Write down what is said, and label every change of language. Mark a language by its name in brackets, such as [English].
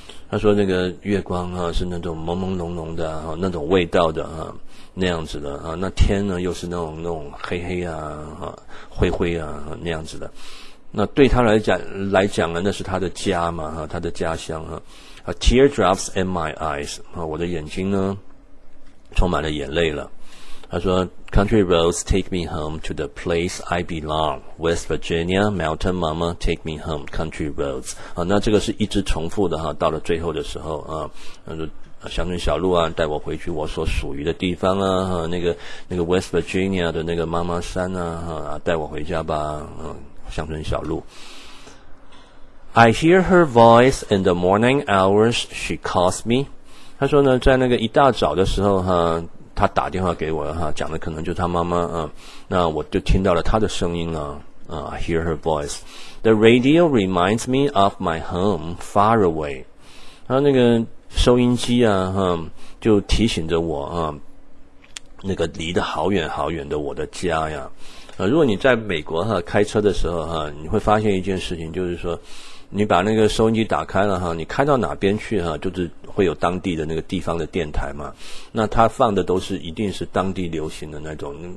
[Chinese] 他说那个月光啊是那种朦朦胧胧的哈、啊，那种味道的哈、啊，那样子的啊，那天呢又是那种黑黑啊哈、啊，灰灰啊那样子的。那对他来讲呢，那是他的家嘛，哈，他的家乡哈。 [English] teardrops in my eyes. [Chinese] 我的眼睛呢充满了眼泪了。 [English] 他说 country roads take me home to the place I belong. West Virginia, mountain mama, take me home, country roads. [Chinese] 那这个是一直重复的，到了最后的时候，乡村小路啊，带我回去我所属于的地方啊，那个 West Virginia 的那个妈妈山啊，带我回家吧，乡村小路。 [English] I hear her voice in the morning hours she calls me. [Chinese] 她说呢，在那个一大早的时候，她打电话给我，讲的可能就是她妈妈，那我就听到了她的声音了， [English] I hear her voice. The radio reminds me of my home far away. [Chinese] 她那个收音机啊，就提醒着我，那个离得好远好远的我的家呀，如果你在美国，开车的时候，你会发现一件事情，就是说你把那个收音机打开了，你开到哪边去，就是会有当地的那个地方的电台嘛，那他放的都是一定是当地流行的那种，